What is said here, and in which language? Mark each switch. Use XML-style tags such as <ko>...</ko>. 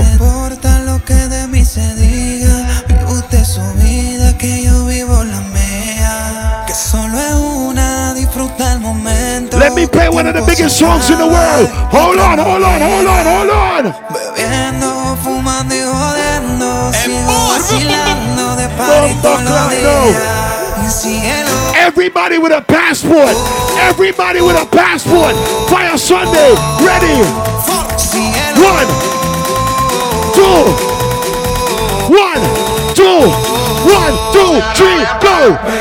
<es>No importa lo que de mí se diga, vive usted su vida, que yo vivo la mía, que solo es una, disfruta el momento.</es> <en>Let me play one of the biggest songs in the world. Hold on.</en> <es>Bebiendo, fumando y jodiendo, sigo vacilando de parito.</es> <en>Everybody with a passport. Everybody with a passport. Fayah Sunday. Ready. 1, 2, 1, 2, 1, 2, 3, go.</en>